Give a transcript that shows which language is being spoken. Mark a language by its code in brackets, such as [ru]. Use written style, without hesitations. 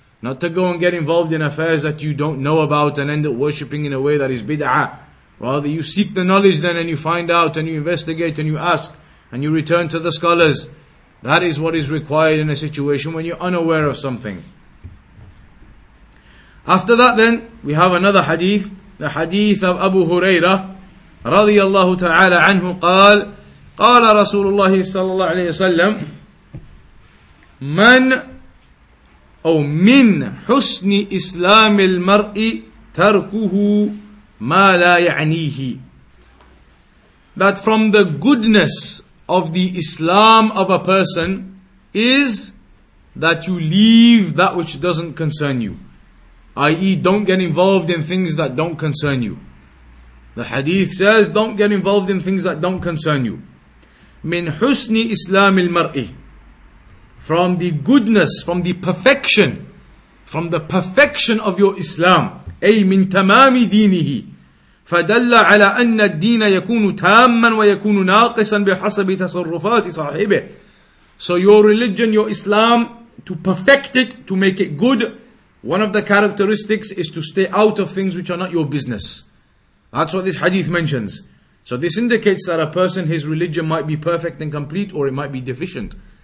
[en] Not to go and get involved in affairs that you don't know about and end up worshipping in a way that is bid'ah. Rather, you seek the knowledge then and you find out and you investigate and you ask and you return to the scholars. That is what is required in a situation when you're unaware of something. After that then, we have another hadith. The hadith of Abu Hurairah, radiyallahu ta'ala anhu, [ar] قال رسول الله صلى الله عليه وسلم من أو من حسن إسلام المرء تركه ما لا يعنيه. [en] That from the goodness of the Islam of a person is that you leave that which doesn't concern you, i.e. don't get involved in things that don't concern you. The hadith says, don't get involved in things that don't concern you. [ar] من حسن إسلام المرء. [en] From the goodness, from the perfection, from the perfection of your Islam. [ar] أي من تمام دينه. فدل على أن الدين يكون تاما ويكون ناقصا بحسب تصرفات صاحبه. [en] So your religion, your Islam, to perfect it, to make it good, one of the characteristics is to stay out of things which are not your business. That's what this hadith mentions. So this indicates that a person, his religion might be perfect and complete, or it might be deficient.